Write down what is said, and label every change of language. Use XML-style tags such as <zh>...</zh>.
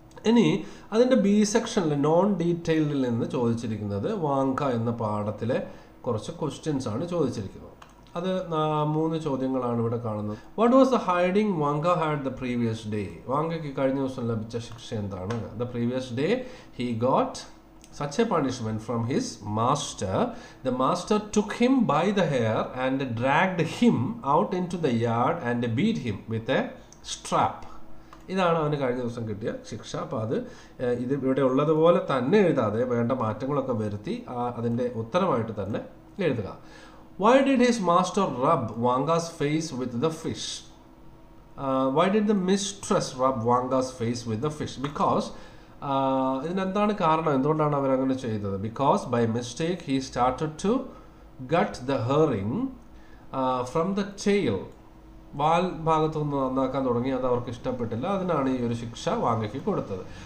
<ml>ഇനി അതിൻ്റെ ബി സെക്ഷനിൽ നോൺ ഡീറ്റെയിൽഡിൽ നിന്ന് ചോദിച്ചിരിക്കുന്നത് വാങ്ക എന്ന പാഠത്തിലെ കുറച്ച് ക്വസ്റ്റ്യൻസ് ആണ് ചോദിച്ചിരിക്കുന്നത്. അത് 3 ഇവിടെ കാണുന്നത്.</ml> <en>What was the hiding Vanka had the previous day?</en> <ml>വാങ്കയ്ക്ക് കഴിഞ്ഞ ദിവസം ലഭിച്ച ശിക്ഷ എന്താണ്?</ml> <en>The previous day he got such a punishment from his master. The master took him by the hair and dragged him out into the yard and beat him with a strap.</en> <ml>ഇതാണ് അവന് കഴിഞ്ഞ ദിവസം കിട്ടിയ ശിക്ഷ. അപ്പോൾ അത് ഇത് ഇവിടെ ഉള്ളതുപോലെ തന്നെ എഴുതാതെ വേണ്ട മാറ്റങ്ങളൊക്കെ വരുത്തി അതിൻ്റെ ഉത്തരമായിട്ട് തന്നെ എഴുതുക.</ml> <en>Why did his master rub Wanga's face with the fish? Why did the mistress rub Wanga's face with the fish?</en> <ml>Because ഇതിനെന്താണ് കാരണം, എന്തുകൊണ്ടാണ് അവരങ്ങനെ ചെയ്തത്?</ml> <en>Because by mistake he started to gut the herring from the tail.</en> <ml>വാൽ ഭാഗത്തു നിന്ന് നന്നാക്കാൻ തുടങ്ങി, അത് അവർക്ക് ഇഷ്ടപ്പെട്ടില്ല. അതിനാണ് ഈ ഒരു ശിക്ഷ വാങ്കയ്ക്ക് കൊടുത്തത്.</ml>